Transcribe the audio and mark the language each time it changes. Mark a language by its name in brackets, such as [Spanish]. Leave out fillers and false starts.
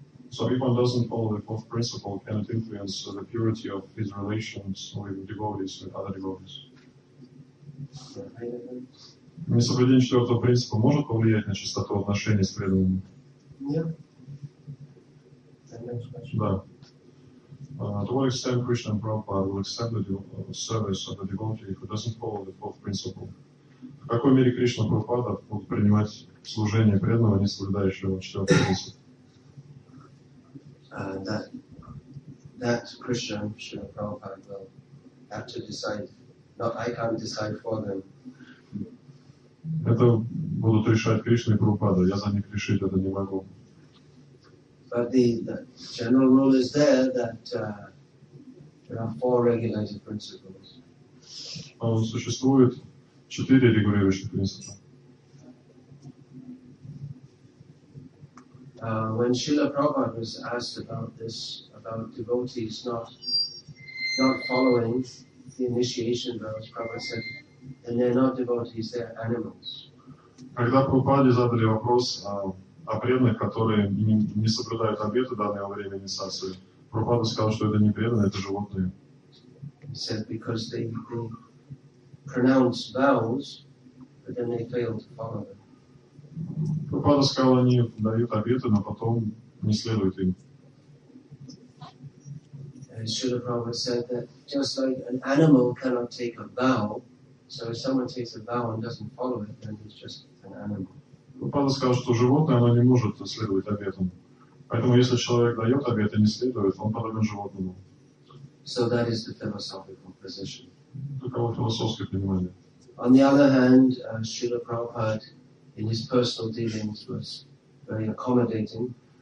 [English] So if one doesn't follow the fourth principle, can it influence the purity of his relations with devotees, with other devotees? [Russian] Несоблюдение четвертого принципа может повлиять на чистоту отношений с преданными? Нет. Да. [English] To what extent Krishna and Prabhupada will accept the service of the devotee who doesn't follow the fourth principle? [Russian] В какой мере Кришна Прабхупада будет принимать служение преданного, не соблюдающего четвертого принципа? [English] That Krishna Prabhupada will have to decide. No, I can't decide for them. [Russian] Это будут решать Кришна и Прабхупада. Я за них решить это не могу. [English] But the general rule is there that there are four regulative principles. [Russian] Существует четыре регулирующих принципа. [English] When Srila Prabhupada was asked about this, about devotees not following the initiation vows, Prabhupada said, and they're not devotees, they're animals. [Russian] Когда Прабхупаде задали вопрос о преданных, которые не соблюдают обеты данного времени инициации, Прабхупада сказал, что это не преданные, это животные. [English] He said, because they pronounce vows, but then they fail to follow them. [Russian] Прабхупада сказал, они дают обеты, но потом не следуют им. [English] Srila Prabhupada said that just like an animal cannot take a vow, so if someone takes a vow and doesn't follow it, then it's just an animal. [Russian] Прабхупада сказал, что животное, оно не может следовать обетам. Поэтому если человек дает обет и не следует, он подобен животному. [English] So that is the philosophical position. [Russian] Таково философское понимание. [English] On the other hand, Srila Prabhupada in his personal dealings was very accommodating.